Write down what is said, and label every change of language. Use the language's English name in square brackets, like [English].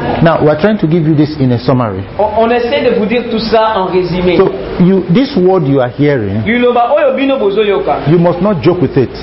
[English] Now we are trying to give you this in a summary. [French] On essaie de vous dire tout ça en résumé. [English] So you, this word you are hearing, you must not joke with it.